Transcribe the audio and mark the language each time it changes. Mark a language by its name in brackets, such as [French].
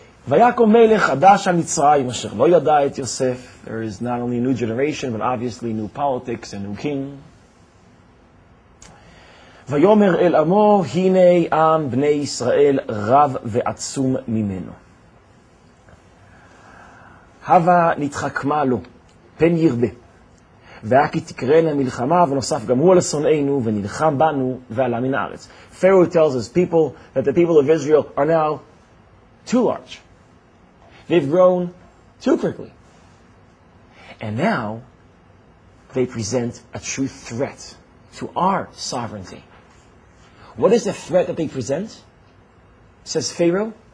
[Hebrew] ויקום מלך חדש על מצרים אשר לא ידע את יוסף. [English] There is not only a new generation, but obviously new politics and new king. [Hebrew] ויאמר אל עמו, הנה עם בני ישראל רב ועצום ממנו. הווה נתחכמה לו, פן ירבה. והכי תקרנה מלחמה, ונוסף גם הוא על שונאינו, ונלחם בנו, ועלה מן הארץ. [English] Pharaoh tells his people that the people of Israel are now too large. They've grown too quickly. And now, they present a true threat to our sovereignty. What is the threat that they present? Says Pharaoh.